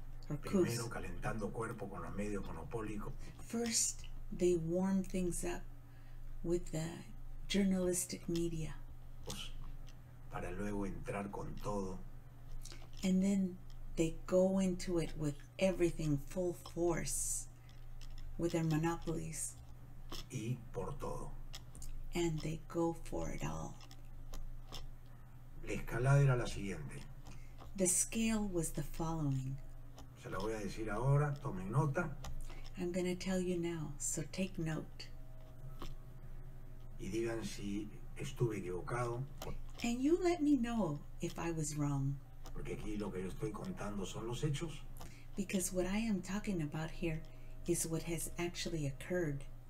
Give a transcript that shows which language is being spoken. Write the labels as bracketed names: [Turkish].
[Spanish] or primero coups, calentando cuerpo con los medios monopólicos. [English] First, they warm things up with the journalistic media, [Spanish] pues, para luego entrar con todo, [English] and then they go into it with everything, full force, with their monopolies, [Spanish] y por todo. [English] And they go for it all. [Spanish] La escalada era la siguiente. [English] The scale was the following. [Spanish] Se la voy a decir ahora, tomen nota. [English] I'm going to tell you now, so take note. [Spanish] Y digan si estuve equivocado. [English] And you let me know if I was wrong. [Spanish] Porque aquí lo que yo estoy contando son los hechos. [English] Because what I am talking about here is what has actually occurred.